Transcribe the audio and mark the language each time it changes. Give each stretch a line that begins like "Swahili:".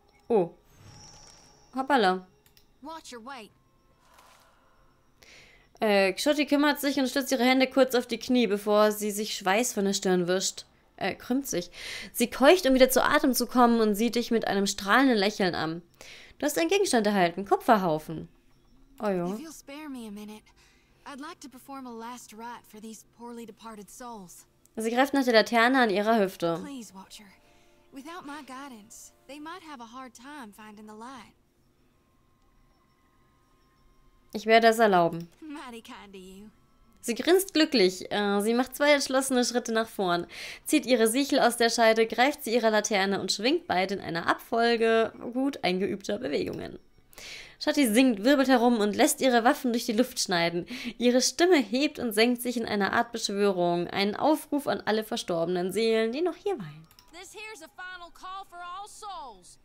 English: Oh. Hoppala. Watch your weight.
German: Xotti kümmert sich und stützt ihre Hände kurz auf die Knie, bevor sie sich Schweiß von der Stirn wischt. Krümmt sich. Sie keucht, um wieder zu Atem zu kommen und sieht dich mit einem strahlenden Lächeln an. Du hast einen Gegenstand erhalten. Kupferhaufen. Oh ja.
English: If you'll spare me a minute, I'd like to perform a last rite for these poorly departed souls.
German: Sie greift nach der Laterne an ihrer Hüfte.
English: Please, Watcher. Without my guidance, they might have a hard time finding the light.
German: Ich werde es erlauben.
English: Mighty kind of you.
German: Sie grinst glücklich. Sie macht zwei entschlossene Schritte nach vorn, zieht ihre Sichel aus der Scheide, greift sie ihrer Laterne und schwingt beide in einer Abfolge gut eingeübter Bewegungen. Shotty singt, wirbelt herum und lässt ihre Waffen durch die Luft schneiden. Ihre Stimme hebt und senkt sich in einer Art Beschwörung. Einen Aufruf an alle verstorbenen Seelen, die noch hier weilen.
English: This here's a final call for all souls.